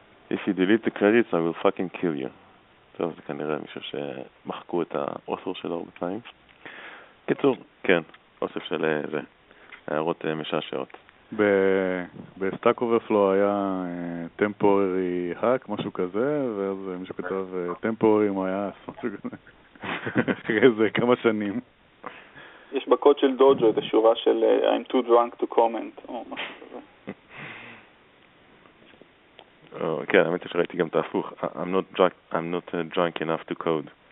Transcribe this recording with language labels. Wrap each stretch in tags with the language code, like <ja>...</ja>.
<en>If you delete the credits, I will fucking kill you.</en> <he>טוב, זה כנראה מישהו שמחקו את האוסר שלו בפיים. קיצור, כן, אוסף של זה. הערות משעשעות. בסטאק אוברפלו היה</he> <en>temporary hack,</en> <he>משהו כזה, ואז מישהו כתב temporary מה היה, משהו כזה. אחרי זה כמה שנים. יש בקוד של דוג'ו את השורה של</he> <en>I'm too drunk to comment,</en> <he>או משהו כזה. כן, האמת שראיתי גם את ההפוך.</he> <en>I'm not drunk enough to code.</en>